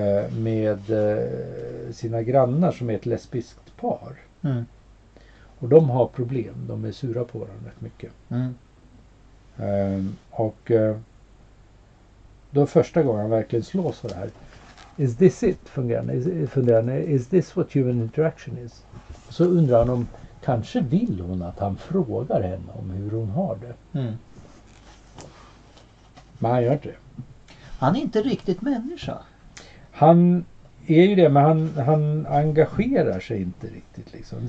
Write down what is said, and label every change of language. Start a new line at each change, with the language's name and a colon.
Swedish: Med sina grannar som är ett lesbiskt par. Mm. Och de har problem. De är sura på varandra rätt mycket. Mm. Och då första gången han verkligen slås av det här.
English: Is this it?
Swedish: Funderar han.
English: Is this what human interaction is?
Swedish: Så undrar han om kanske vill hon att han frågar henne om hur hon har det. Mm. Men han gör det. Han är inte riktigt människa. Han är ju det, men han engagerar sig inte riktigt. Liksom.